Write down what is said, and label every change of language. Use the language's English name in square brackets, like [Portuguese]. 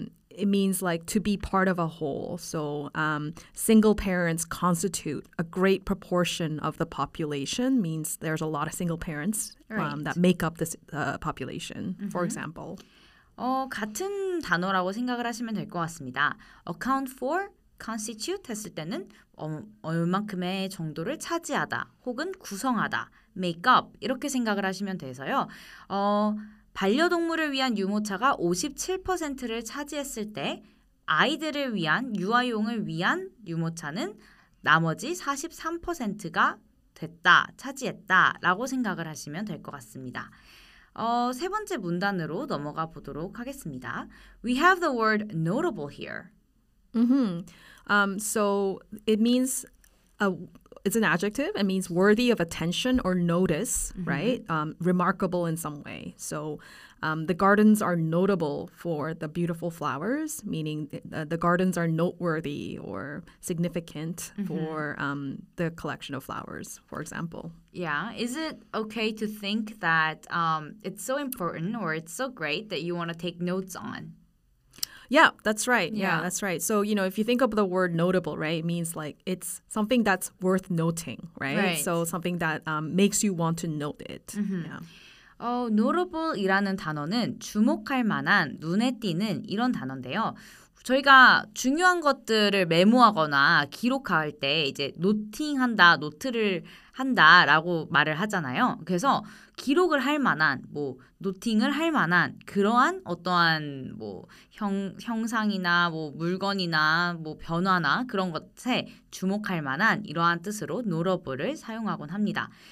[English] It means like to be part of a whole. So single parents constitute a great proportion of the population means there's a lot of single parents that make up this population, for example. [Korean] 같은 단어라고 생각을 하시면 될 것 같습니다. Account for, constitute 했을 때는 얼만큼의 정도를 차지하다 혹은 구성하다, make up 이렇게 생각을 하시면 돼서요. 반려동물을 위한 유모차가 57%를 차지했을 때 아이들을 위한, 유아용을 위한 유모차는 나머지 43%가 됐다, 차지했다라고 생각을 하시면 될 것 같습니다. 세 번째 문단으로 넘어가 보도록 하겠습니다. [English] We have the word notable here. So it means... It's an adjective. It means worthy of attention or notice, right? Remarkable in some way. So the gardens are notable for the beautiful flowers, meaning the gardens are noteworthy or significant for the collection of flowers, for example. Yeah. Is it okay to think that it's so important or it's so great that you want to take notes on? Yeah, that's right. Yeah. So, you know, if you think of the word notable, right, it means like it's something that's worth noting, right? Right. So something that makes you want to note it. Yeah. [Korean] Notable이라는 단어는 주목할 만한, 눈에 띄는 이런 단어인데요. 저희가 중요한 것들을 메모하거나 기록할 때 이제 노팅한다, 노트를 한다라고 말을 하잖아요. 그래서 기록을 할 만한 뭐 노팅을 할 만한 그러한 어떠한 뭐 형상이나 뭐 물건이나 뭐 변화나 그런 것에 주목할 만한 이러한 뜻으로 notable을 사용하곤 합니다.